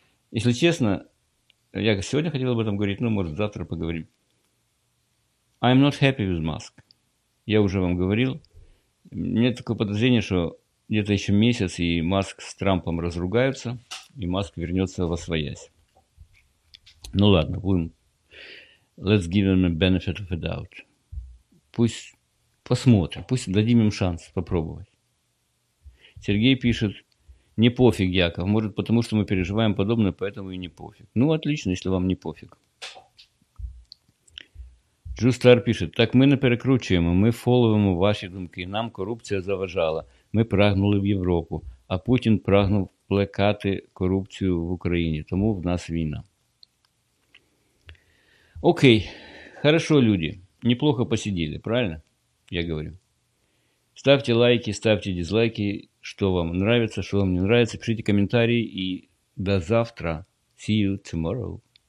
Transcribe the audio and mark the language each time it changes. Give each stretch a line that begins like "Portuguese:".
Russian: Если честно, я сегодня хотел об этом говорить, но, может, завтра поговорим.
English: I'm not happy with Musk.
Russian: Я уже вам говорил. У меня такое подозрение, что где-то еще месяц, и Маск с Трампом разругаются, и Маск вернется во освоясь. Ну ладно, будем.
English: Let's give him a benefit of a doubt.
Russian: Пусть посмотрим, пусть дадим им шанс попробовать. Сергей пишет: не пофиг, Яков. Может, потому что мы переживаем подобное, поэтому и не пофиг. Ну, отлично, если вам не пофиг.
Ukrainian: Джустар
Russian: пишет:
Ukrainian: так мы не перекручуємо, ми фоловуємо ваші думки. Нам корупція заважала. Ми прагнули в Європу, а Путін прагнув плекати корупцію в Україні. Тому в нас війна.
Russian: Окей, хорошо, люди, неплохо посидели, правильно? Я говорю. Ставьте лайки, ставьте дизлайки, что вам нравится, что вам не нравится. Пишите комментарии и до завтра.
English: See you tomorrow.